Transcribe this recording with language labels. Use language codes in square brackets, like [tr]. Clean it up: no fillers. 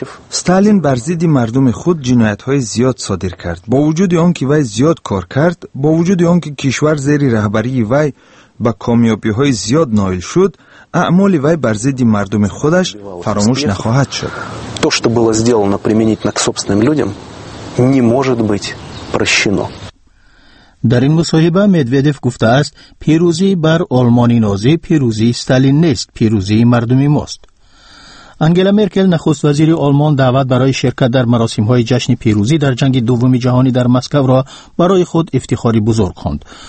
[fa] ستالین بر ضد مردم خود جنایت های زیاد صادر کرد. با وجود آن که وی زیاد کار کرد، با وجود آن که کشور زیر رهبری وی با کامیابی های زیاد نائل شد، اعمال وی بر ضد مردم خودش فراموش نخواهد شد. [ru] То, что было сделано применительно к собственным людям, не может быть прощено. [fa] در این مصاحبه مدودف گفته است پیروزی بر آلمانی نازی پیروزی استالین نیست، پیروزی مردمی ماست. انگلا مرکل نخست وزیر آلمان دعوت برای شرکت در مراسم های جشن پیروزی در جنگ دوم جهانی در مسکو را برای خود افتخاری بزرگ خواند.